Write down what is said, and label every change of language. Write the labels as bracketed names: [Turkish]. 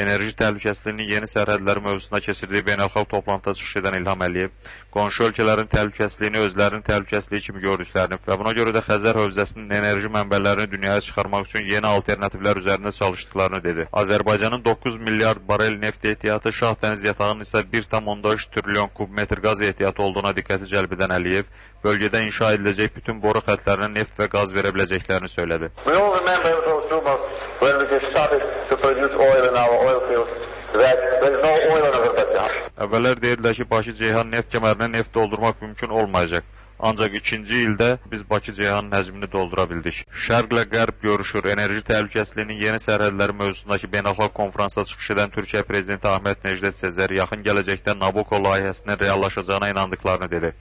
[Azerbaijani] Enerji təhlükəsizliyinin yeni sərhədləri mövzusunda keçirdiyi beynəlxalq toplantıda çıxış edən İlham Əliyev, qonşu ölkələrin təhlükəsizliyini özlərinin təhlükəsizliyi kimi gördüklərini və buna görə də Xəzər hövzəsinin enerji mənbələrini dünyaya çıxarmaq üçün yeni alternativlər üzərində çalışdıqlarını dedi. Azərbaycanın 9 milyard barel neft ehtiyatı, Şah dəniz yatağının isə 1.3 trilyon kub metr qaz ehtiyatı olduğuna diqqəti cəlb edən Əliyev, bölgədə inşa ediləcək bütün boru xətlərinə neft və qaz verə biləcəklərini söylədi. [English] We all remember those rumors when we started to produce oil in our oil fields. [Azerbaijani] Əvvəllər deyirdilər ki, Bakı-Ceyhan neft kəmərinə neft doldurmaq mümkün olmayacaq. Ancaq ikinci ildə biz Bakı-Ceyhanın həcmini doldura bildik. Şərqlə Qərb görüşür, enerji təhlükəsizliyinin yeni sərhədləri mövzusundakı beynəlxalq konfransa çıxış edən Türkiyə Prezidenti Əhməd Necdet Sezer yaxın gələcəkdə Nabokko layihəsinin reallaşacağına inandıqlarını dedi.